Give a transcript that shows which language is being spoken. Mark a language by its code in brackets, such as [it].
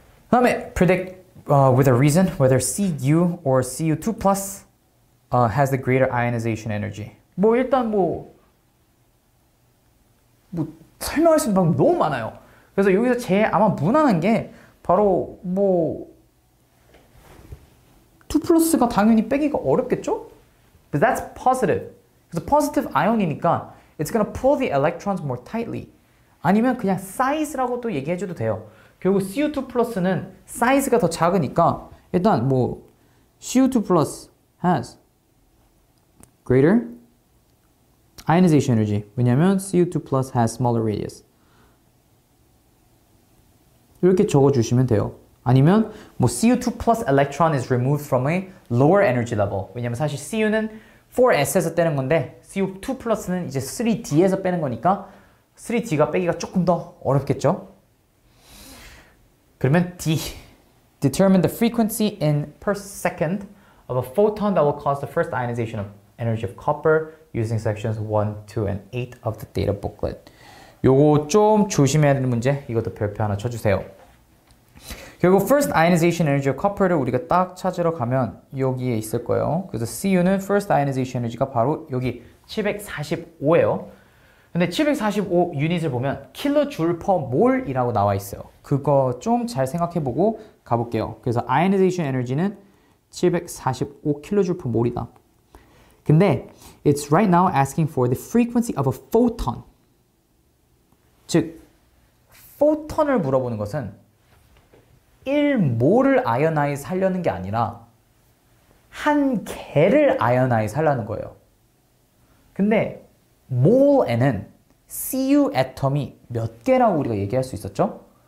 [ko] 다음에 [en] predict with a reason whether Cu or Cu2 plus has the greater ionization energy. [ko] 뭐 일단 뭐 설명할 수 있는 방법이 너무 많아요. 그래서 여기서 제일 아마 무난한 게 바로 뭐 2플러스가 당연히 빼기가 어렵겠죠? [en] But that's positive. [ko] 그래서 [en] positive ion이니까 it's gonna pull the electrons more tightly. [ko] 아니면 그냥 size라고도 얘기해줘도 돼요. 결국 Cu2플러스는 size가 더 작으니까 일단 뭐 Cu2플러스 [en] has greater ionization energy. [ko] 왜냐면 [en] Cu2플러스 has smaller radius. [ko] 이렇게 적어주시면 돼요. 아니면 뭐 [en] Cu2 plus electron is removed from a lower energy level. [ko] 왜냐면 사실 Cu는 4s에서 빼는 건데 Cu2 plus는 이제 3d에서 빼는 거니까 3d가 빼기가 조금 더 어렵겠죠? 그러면 d. [en] Determine the frequency in per second of a photon that will cause the first ionization of energy of copper using sections 1, 2, and 8 of the data booklet. [ko] 요거 좀 조심해야 되는 문제. 이것도 별표 하나 쳐주세요. 결국 first ionization energy of copper를 우리가 딱 찾으러 가면 여기에 있을 거예요. 그래서 Cu는 first ionization energy가 바로 여기 745예요. 근데 745 유닛을 보면 킬로 줄퍼 몰이라고 나와 있어요. 그거 좀잘 생각해 보고 가볼게요. 그래서 아이오나이제이션 에너지는 745 킬로 줄퍼 몰이다. 근데 [en] it's right now asking for the frequency of a photon. [ko] 즉, 포톤을 물어보는 것은 1몰을 아이오나이즈 하려는 게 아니라 한 개를 아이오나이즈 하려는 거예요. 근데 몰에는 CU 애텀이 몇 개라고 우리가 얘기할 수 있었죠?